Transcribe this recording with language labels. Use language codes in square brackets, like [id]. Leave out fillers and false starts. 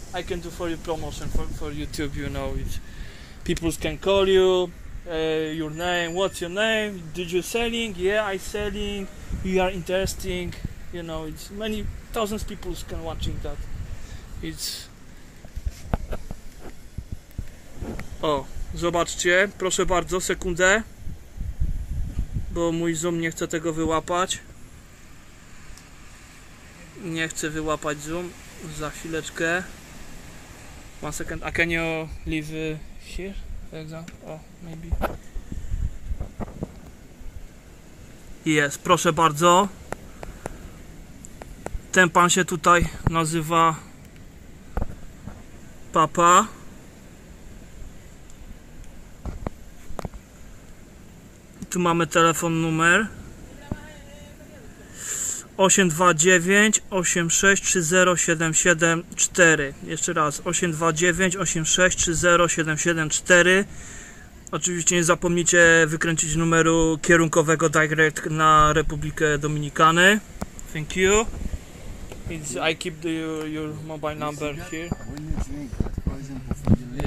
[en] I can do for you promotion for YouTube, you know. It's, people can call you. Your name. What's your name? Did you selling? Yeah, I selling. You are interesting. You know, it's many thousands of people can watching that. It's... [pl] O, zobaczcie, proszę bardzo, sekundę. Bo mój Zoom nie chce tego wyłapać. Nie chce wyłapać Zoom. Za chwileczkę. [en] One second, a can you leave here? For example? Oh, maybe. [pl] Yes, proszę bardzo. Ten pan się tutaj nazywa Papa. Tu mamy telefon numer 829-86-30774. Jeszcze raz 829-86-30774. Oczywiście nie zapomnijcie wykręcić numeru kierunkowego direct na Republikę Dominikany. [en] Thank you. It's, I keep the, your mobile number here. When you drink that poison before you leave.